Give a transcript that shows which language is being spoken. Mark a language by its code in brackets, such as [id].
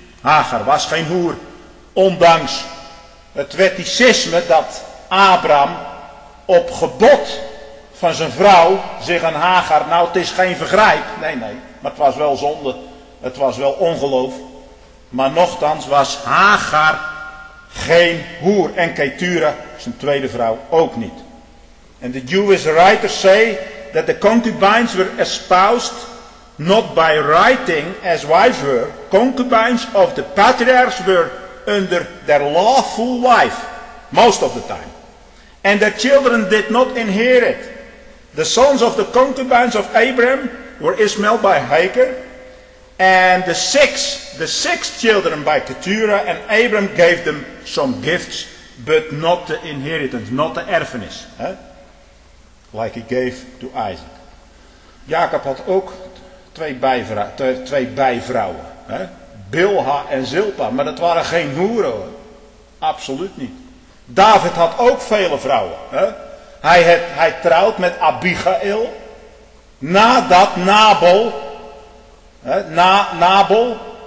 [nl] Hagar was geen hoer, ondanks het wetticisme dat Abraham op gebod van zijn vrouw zich aan Hagar, nou het is geen vergrijp, nee, maar het was wel zonde, het was wel ongeloof, maar nochtans was Hagar geen hoer en Keturah zijn tweede vrouw ook niet. [en] And the Jewish writers say that the concubines were espoused not by writing as wives were, concubines of the patriarchs were under their lawful wife, most of the time. And their children did not inherit. The sons of the concubines of Abraham were Ishmael by Hagar, and the six children by Keturah, and Abram gave them some gifts, but not the inheritance, not the erfenis. Like he gave to Isaac. [nl] Jacob had ook twee bijvrouwen. Bilha en Zilpa, maar dat waren geen hoeren. Absoluut niet. David had ook vele vrouwen. Hij trouwt met Abigail. Nadat Nabal. Nabal.